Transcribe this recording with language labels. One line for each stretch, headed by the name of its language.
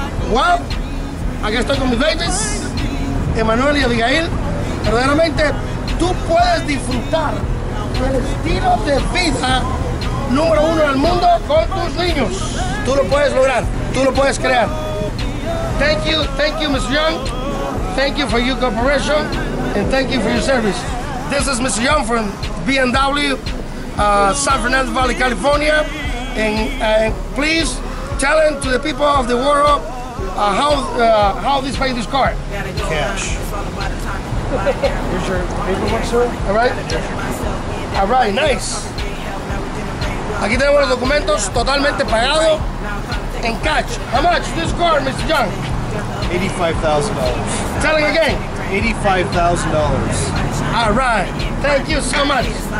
Spanish: Wow, aquí estoy con mis babies, Emanuel y Abigail. Verdaderamente, tú puedes disfrutar del estilo de vida número uno en el mundo con tus niños. Tú lo puedes lograr, tú lo puedes crear.
English: Thank you, Mr. Young. Thank you for your cooperation and thank you for your service. This is Mr. Young from BMW, San Fernando Valley, California. And please tell him to the people of the world how this pay this card. Cash. Here's your paperwork, sir. All right. All right, nice.
Spanish: Aquí tenemos los documentos totalmente pagado en cash.
English: How much this card, Mr. Young? $85,000. Telling again. $85,000. All right. Thank you so much. You